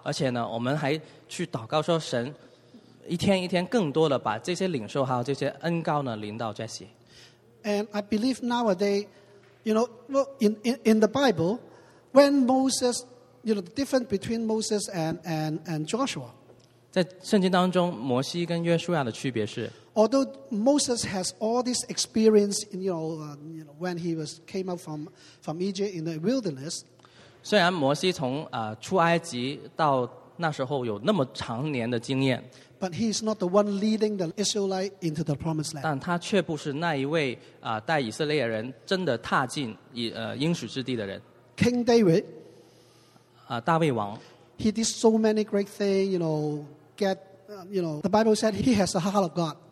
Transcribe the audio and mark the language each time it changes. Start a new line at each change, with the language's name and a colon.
Chinese: 所以我的感受就是我们不单为了Jesse祷告，而且呢，我们还去祷告说神 一天一天更多的把这些领受还有这些恩膏呢临到Jesse.
English: And I believe nowadays, you know, well, in the Bible, when Moses, you know, the difference between Moses and Joshua.
Chinese: 在圣经当中，摩西跟约书亚的区别是
English: although Moses has all this experience, in, you know, when he was came out from Egypt in the wilderness.
Chinese: 虽然摩西从出埃及到那时候有那么长年的经验。
English: But he is not the one leading the Israelite into the promised land.
Chinese: 但他却不是那一位带以色列人真的踏进应许之地的人。
English: King David.
Chinese: 大卫王。
English: He did so many great things, you know, the Bible said he has the heart of God.